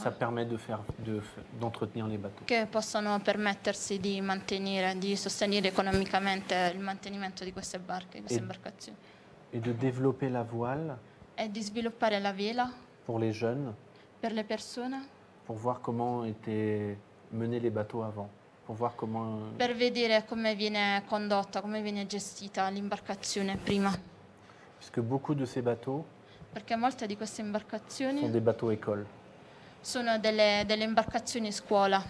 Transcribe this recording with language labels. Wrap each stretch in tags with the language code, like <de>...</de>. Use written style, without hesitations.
<fr>Ça permet de faire, d'entretenir les bateaux.</fr> <it>Che possono permettersi di mantenere, di sostenere economicamente il mantenimento di queste barche, di queste imbarcazioni.</it> <fr>Et de développer la voile.</fr> <it>E di sviluppare la vela.</it> <fr>Pour les jeunes.</fr> <it>Per le persone.</it> <fr>Pour voir comment étaient menés les bateaux avant. Pour voir comment.</fr> <it>Per vedere come viene condotta, come viene gestita l'imbarcazione prima.</it> <fr>Parce que beaucoup de ces bateaux.</fr> <it>perché molte di queste imbarcazioni sono dei</it> <fr>bateaux école.</fr> <it>Sono delle, delle imbarcazioni scuola.</it>